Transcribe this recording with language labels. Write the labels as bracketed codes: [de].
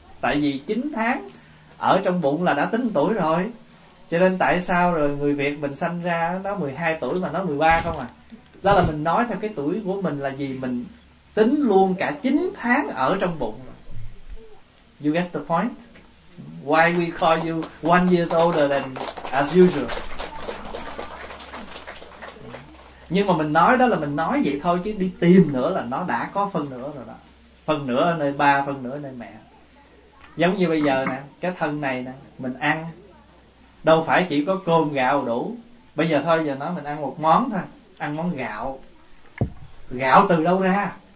[vi] Tại vì 9 tháng ở trong bụng là đã tính 1 tuổi rồi. Cho nên tại sao rồi người Việt mình sanh ra nó 12 tuổi mà nó 13 không à? Đó là mình nói theo cái tuổi của mình là gì, mình tính luôn cả 9 tháng ở trong bụng. [en] You get the point? Why we call you 1 year older than as usual? [vi] Nhưng mà mình nói đó là mình nói vậy thôi, chứ đi tìm nữa là nó đã có phân nửa rồi đó. Phân nửa ở nơi ba, phân nửa ở nơi mẹ. Giống như bây giờ nè, cái thân này nè, mình ăn đâu phải chỉ có cơm gạo đủ. Bây giờ thôi, giờ nói mình ăn một món thôi, ăn món gạo. Gạo từ đâu ra?